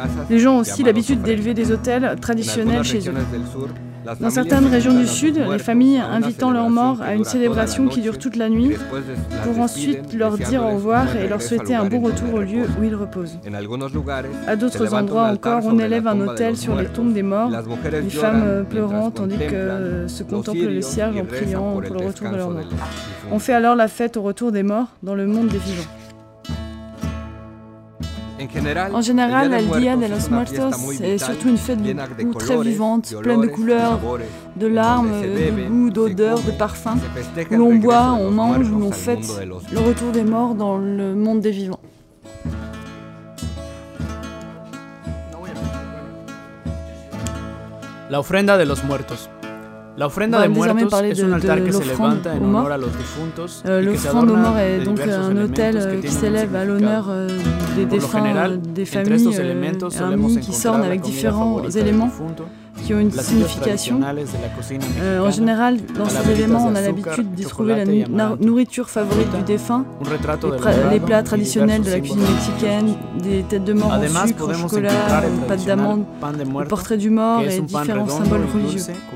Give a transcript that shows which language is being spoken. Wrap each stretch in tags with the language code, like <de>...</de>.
<fr>Les gens ont aussi l'habitude d'élever des autels traditionnels chez eux. Dans certaines régions du sud, les familles invitant leurs morts à une célébration qui dure toute la nuit pour ensuite leur dire au revoir et leur souhaiter un bon retour au lieu où ils reposent. À d'autres endroits encore, on élève un autel sur les tombes des morts, les femmes pleurant tandis que se contemplent le cierge en priant pour le retour de leurs morts. On fait alors la fête au retour des morts dans le monde des vivants. En général, el Día de los Muertos est surtout une fête beaucoup très vivante, pleine de couleurs, de larmes, de goûts, d'odeurs, de parfums, où l'on boit, on mange, où l'on fête le retour des morts dans le monde des vivants.</fr> <es>La ofrenda de los muertos. La ofrenda de muertos es un altar que se levanta en honor a los difuntos.</es> <fr>L'offrande aux morts est donc un autel qui s'élève à l'honneur des défunts, des familles, un mis qui s'orne avec différents éléments qui ont une signification. En général, dans ces éléments, on a l'habitude d'y trouver la nourriture favorite du défunt, les plats traditionnels de la cuisine mexicaine, des têtes de mort en sucre, au chocolat, une pâte d'amande, le portrait du mort et différents symboles religieux.</fr>